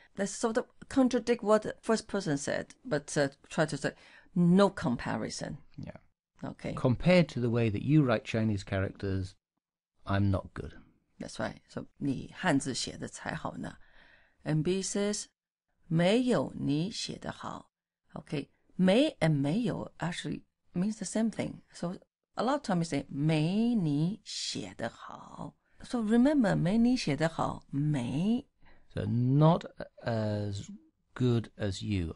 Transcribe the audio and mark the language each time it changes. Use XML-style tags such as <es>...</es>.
<en>Let's sort of contradict what the first person said, but try to say, no comparison. Yeah. Okay. Compared to the way that you write Chinese characters, I'm not good. That's right.</en> <zh>So, 你汉字写的才好呢。</zh> <en>And B says,</en> <zh>没有你写的好。</zh> <en>Okay. 没 and 没有 actually means the same thing. So, a lot of times we say,</en> <zh>没你写的好。</zh> <en>So, remember,</en> <zh>没你写的好,没。</zh> <en>So not as good as you.</en>